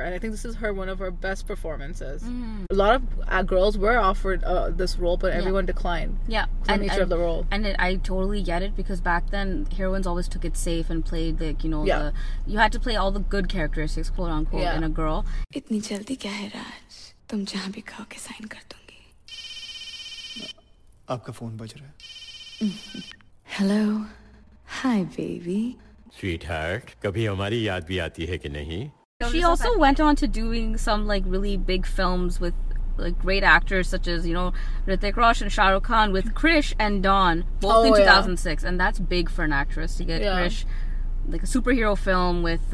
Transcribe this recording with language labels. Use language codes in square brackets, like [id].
[en] And I think this is one of her best performances. Mm. A lot of girls were offered this role, but everyone, yeah, declined. Yeah. The nature of the role. And I totally get it, because back then, heroines always took it safe and played, like, you know, yeah, you had to play all the good characteristics, quote unquote, yeah, in a girl. [hi] इतनी जल्दी क्या है Raj? तुम जहां भी कहोगे sign कर दूंगी आपका फोन बज रहा है [en] hello hi baby [hi] स्वीटहार्ट कभी हमारी याद भी आती है कि नहीं [en] She also went on to doing some, like, really big films with, like, great actors such as, you know, Hrithik Roshan, Shah Rukh Khan, with Krish and Dawn, both in 2006, yeah, and that's big for an actress to get, yeah, Krish, like a superhero film with